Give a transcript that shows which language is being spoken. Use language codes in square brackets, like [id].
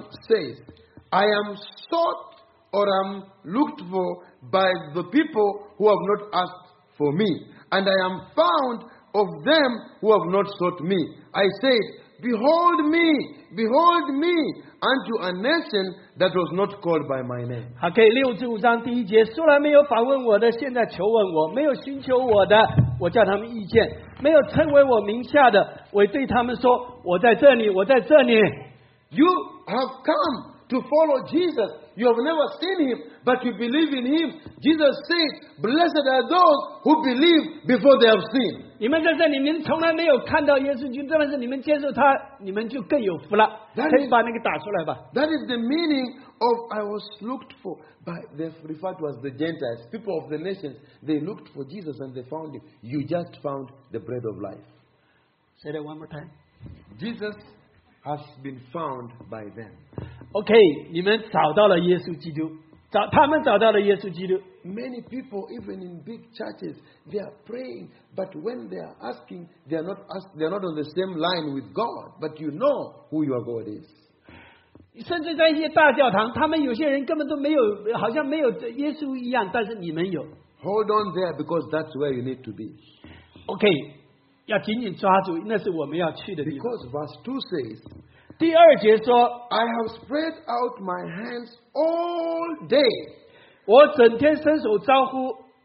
[en] 1 says, I am sought or am looked for by the people who have not asked for me, and I am found of them who have not sought me. I said, behold me, unto a nation that was not called by my name. [zh] Okay, 65章第1节, 虽然没有访问我的，现在求问我, 没有寻求我的, 我叫他们意见, 没有称为我名下的, 我对他们说, 我在这里, 我在这里。 [en] You have come to follow Jesus. You have never seen him, but you believe in him. Jesus said, blessed are those who believe before they have seen. [zh] 你们在这里面从来没有看到耶稣基督，但是你们接受他，你们就更有福了。可以把那个打出来吧。 [en] That is the meaning of I was looked for by, they referred to as the Gentiles, people of the nations. They looked for Jesus and they found him. You just found the bread of life. Say that one more time. Jesus has been found by them. [zh] Okay, 你们找到了耶稣基督，他们找到了耶稣基督。 [en] Many people, even in big churches, they are praying, but when they are asking, they are not asked, they are not on the same line with God. But you know who your God is. [zh] 甚至在一些大教堂，他们有些人根本都没有，好像没有耶稣一样，但是你们有。 [en] Hold on there, because that's where you need to be. [zh] Okay, 要紧紧抓住，那是我们要去的地方。 [en] Because verse 2 says, [zh] 第2节说, [en] I have spread out my hands all day. [zh] 我整天伸手招呼,